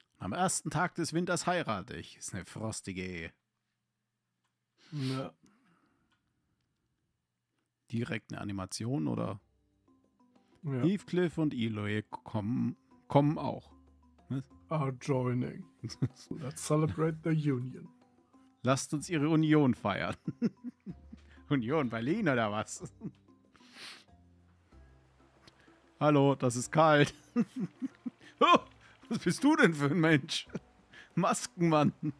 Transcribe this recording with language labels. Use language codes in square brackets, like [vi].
[de] Am ersten Tag des Winters heirate ich. Ist eine frostige Ehe. Ja. Direkt eine Animation, oder? Ja. Heathcliff und Eloy kommen auch. [en] Are joining. Let's celebrate the union. [de] Lasst uns ihre Union feiern. Union Berlin, oder was? Hallo, das ist kalt. Oh, was bist du denn für ein Mensch? Maskenmann.